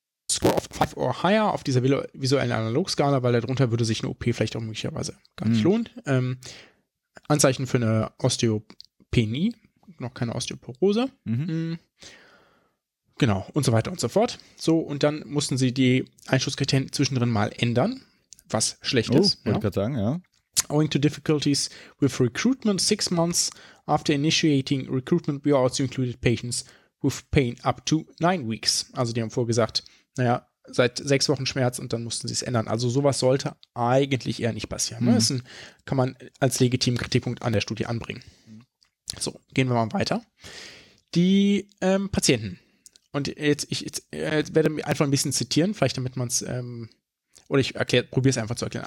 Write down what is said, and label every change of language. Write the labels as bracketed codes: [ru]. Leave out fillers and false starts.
[en] Score of 5 or higher [de] auf dieser visuellen Analogskala, weil darunter würde sich eine OP vielleicht auch möglicherweise gar nicht lohnen. Anzeichen für eine Osteopenie, noch keine Osteoporose. Genau, und so weiter und so fort. So, und dann mussten sie die Einschlusskriterien zwischendrin mal ändern, was schlecht ist. Wollte ich gerade sagen, ja. [en] Owing to difficulties with recruitment, 6 months after initiating recruitment, we also included patients with pain up to 9 weeks. [de] Also die haben vorgesagt, naja, seit 6 Wochen Schmerz und dann mussten sie es ändern. Also sowas sollte eigentlich eher nicht passieren. Mhm. Das kann man als legitimen Kritikpunkt an der Studie anbringen. So, gehen wir mal weiter. Die Patienten. Und jetzt werde ich einfach ein bisschen zitieren, vielleicht damit man es, oder ich probiere es einfach zu erklären.